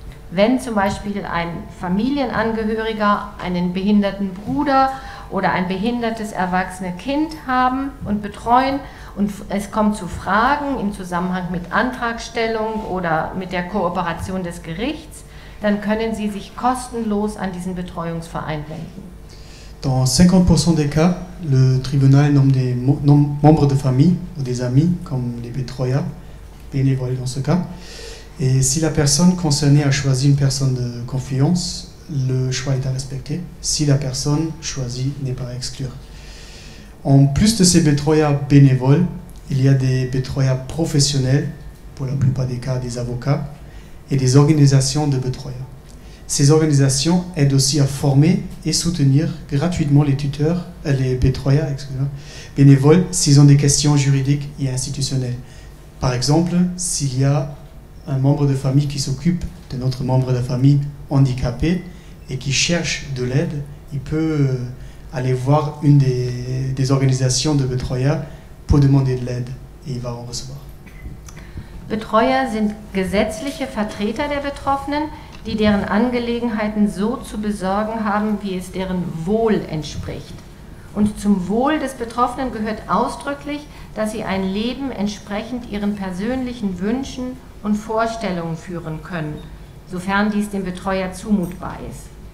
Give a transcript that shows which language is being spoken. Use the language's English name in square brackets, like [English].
[German] Wenn zum Beispiel ein Familienangehöriger einen behinderten Bruder oder ein behindertes erwachsenes Kind haben und betreuen und es kommt zu Fragen im Zusammenhang mit Antragstellung oder mit der Kooperation des Gerichts, dann können sie sich kostenlos an diesen Betreuungsverein wenden. [French] Dans 50% des cas, le tribunal nomme des membres de famille ou des amis, comme les betreuers, bénévoles dans ce cas. Et si la personne concernée a choisi une personne de confiance, le choix est à respecter, si la personne choisie n'est pas à exclure. En plus de ces betreuers bénévoles, il y a des betreuers professionnels, pour la plupart des cas des avocats, et des organisations de betreuers. Ces organisations aident aussi à former et soutenir gratuitement les tuteurs, les betreuers, excusez-moi, bénévoles s'ils ont des questions juridiques et institutionnelles. Par exemple, s'il y a un membre de famille qui s'occupe d'un autre membre de famille handicapé et qui cherche de l'aide, il peut aller voir une des organisations de betreuers pour demander de l'aide et il va en recevoir. [German] Betreuer sind gesetzliche Vertreter der Betroffenen, die deren Angelegenheiten so zu besorgen haben, wie es deren Wohl entspricht. Und zum Wohl des Betroffenen gehört ausdrücklich, dass sie ein Leben entsprechend ihren persönlichen Wünschen und Vorstellungen führen können, sofern dies dem Betreuer zumutbar ist.